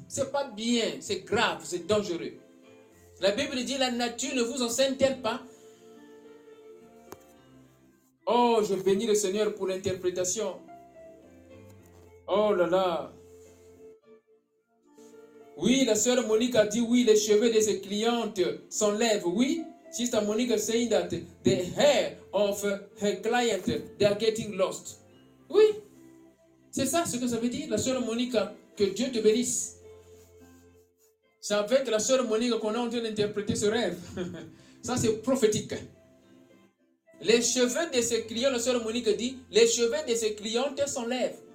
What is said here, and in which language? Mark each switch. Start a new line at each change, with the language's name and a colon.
French: C'est pas bien, c'est grave, c'est dangereux. La Bible dit, la nature ne vous enseigne-t-elle pas? Oh, je bénis le Seigneur pour l'interprétation. Oh là là. Oui, la sœur Monique a dit, oui, les cheveux de ses clientes s'enlèvent, oui.
English: Sister Monica saying that the hair of her client, they are getting lost.
French: C'est ça ce que ça veut dire, la sœur Monica, que Dieu te bénisse. C'est avec la sœur Monica qu'on est en train d'interpréter ce rêve. Ça, c'est prophétique. Les cheveux de ses clients, la sœur Monica dit, les cheveux de ses clientes s'enlèvent.